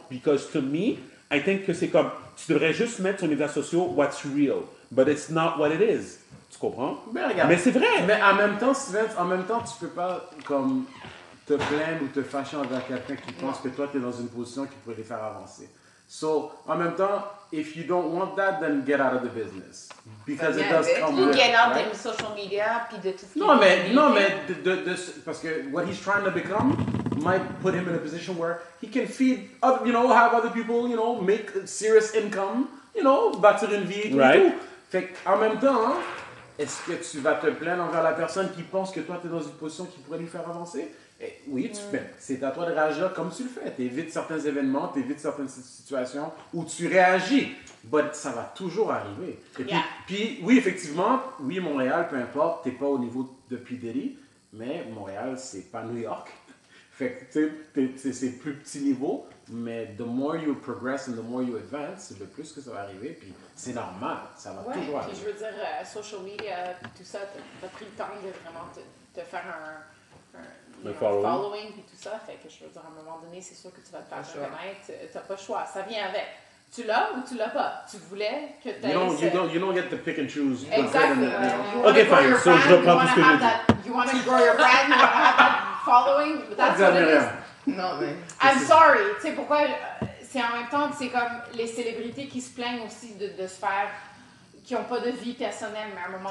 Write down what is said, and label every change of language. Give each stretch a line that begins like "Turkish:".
English: Because to me, I think
French: que c'est comme... Tu devrais juste mettre sur les médias sociaux
English: what's real. But it's not what it is.
French: Tu comprends? Mais regarde. Mais c'est vrai. Mais en même temps, Steven, en même temps, tu peux pas comme te plaindre ou te fâcher envers quelqu'un qui pense que toi, tu es dans une position qui pourrait les faire avancer. So, en même temps...
English: If you don't want that, then get out of the business. Because it does come with, right? Get out of social media,
French: puis de tout ce qui... Non, mais, parce que
English: what he's trying to become might put him in a position where he can feed, other, you know, have other people, you know, make serious income, you know,
French: bâtir une vie,
English: right?
French: Fait qu'en même temps, est-ce que tu vas te plaindre envers la personne qui pense que toi, t'es dans une position qui pourrait lui faire avancer? Et oui, tu fais. C'est à toi de réagir comme tu le fais. Tu évites certains événements, tu évites certaines situations où tu réagis. Mais ça va toujours arriver. Et puis, oui, effectivement, oui, Montréal, peu importe, tu n'es pas au niveau de P. Diddy, mais Montréal, ce n'est pas New York. Fait que c'est plus petit niveau, mais
English: the more you progress and the more you advance,
French: le plus que ça va arriver, puis c'est normal, ça va toujours arriver. Puis je veux dire, social media, tout ça, t'as pris le temps de vraiment te faire un following, puis tout ça, fait que je veux dire, à un moment donné, c'est sûr que tu vas te faire reconnaître, t'as pas le choix, ça vient avec. Tu l'as ou tu l'as pas? Tu voulais que t'aies...
English: You don't get to pick and choose. Exactly.
French: Ok, fine, so je reprends tout ce que j'ai dit.
English: You want to grow your brand, you want to have following, that's what it is.
French: Non, mais...
English: I'm sorry.
French: Tu sais pourquoi... C'est en même temps, c'est comme les célébrités qui se plaignent aussi de se faire... qui n'ont pas de vie personnelle, mais à un moment